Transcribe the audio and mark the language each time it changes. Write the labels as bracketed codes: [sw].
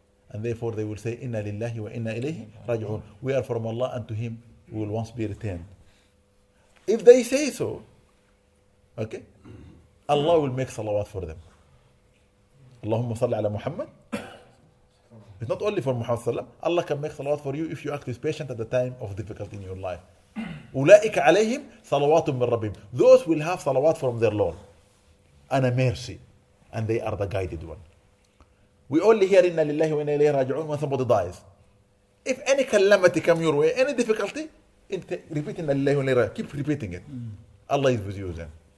[en] And therefore they will say, Inna lillahi wa inna ilayhi raji'un. We are from Allah and to Him we will once be returned. If they say so, okay, Allah will make salawat for them. Allahumma salli ala Muhammad. It's not only for Muhammad sallam. Allah can make salawat for you if you act with patience at the time of difficulty in your life. [ar] أولئك عليهم صلوات من ربهم. [en] Those will have salawat from their Lord and a mercy, and they are the guided one. We only hear [ar] إِنَّ لِلَّهِ وَإِنَّ إِلَيْهِ رَاجِعُونَ [en] when somebody dies. If any calamity come your way, any difficulty, repeat إِنَّ لِلَّهِ وَإِنَّ إِلَيْهِ رَاجِعُونَ. Keep repeating it. Allah is with you then.